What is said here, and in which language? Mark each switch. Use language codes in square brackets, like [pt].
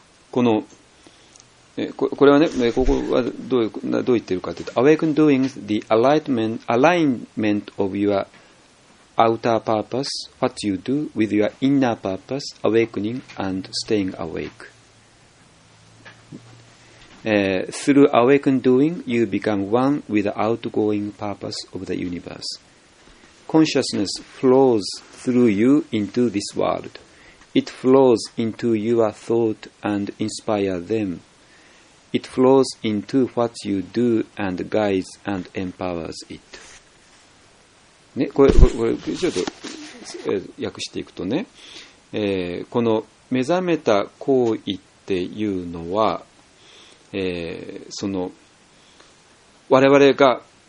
[ja] この、これはね、ここはどう言ってるかというと、 [en] awakened doing is the alignment of your outer purpose, what you do with your inner purpose, awakening and staying awake. Through awakened doing, you become one with the outgoing purpose of the universe. Consciousness flows through you into this world. It flows into your thought and inspires them. It flows into what you do and guides and empowers it.、 [ja] ね、これちょっと訳していくとね、この目覚めた行為っていうのは、その我々が、